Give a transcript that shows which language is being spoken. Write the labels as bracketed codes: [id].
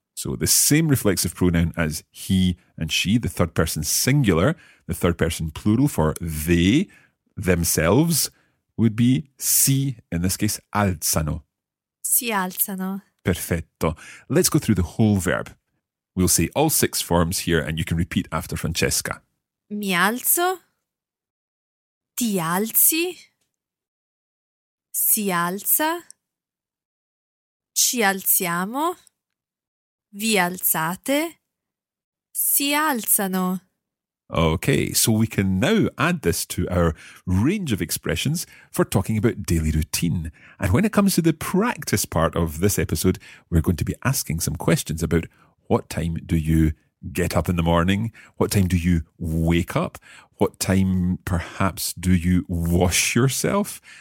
[en] So the same reflexive pronoun as he and she, the third person singular, the third person plural for they, themselves, would be si, in this case, alzano. [it] Si alzano. Perfetto. [en] Let's go through the whole verb. We'll say all six forms here and you can repeat after Francesca. [it] Mi alzo, ti alzi, si alza, ci alziamo, vi alzate, si alzano. [en] Okay, so we can now add this to our range of expressions for talking about daily routine. And when it comes to the practice part of this episode, we're going to be asking some questions about what time do you get up in the morning? What time do you wake up? What time, perhaps, do you wash yourself?